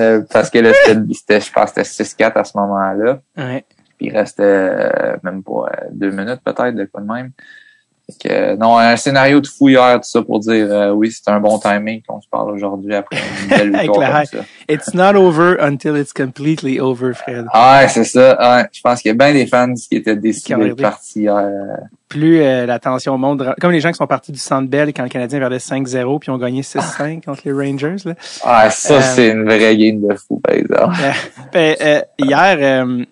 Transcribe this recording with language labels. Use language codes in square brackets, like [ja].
[fr] Parce que là, c'était 6-4 à ce moment-là. Ouais. Puis il restait même pas 2 minutes peut-être, de quoi de même. Non, un scénario de fouilleur, tout ça, pour dire oui, c'est un bon timing qu'on se parle aujourd'hui après une belle victoire comme ça. [en] It's not over until it's completely over, Fred. [fr] Ah, c'est ça. Ouais, je pense qu'il y a bien des fans qui étaient décidés de partir. Plus la tension monte, comme les gens qui sont partis du Centre Bell quand le Canadien perdait 5-0 puis ont gagné 6-5 contre les Rangers. Là. Ah, ça, c'est une vraie game de fou, par exemple. Hier...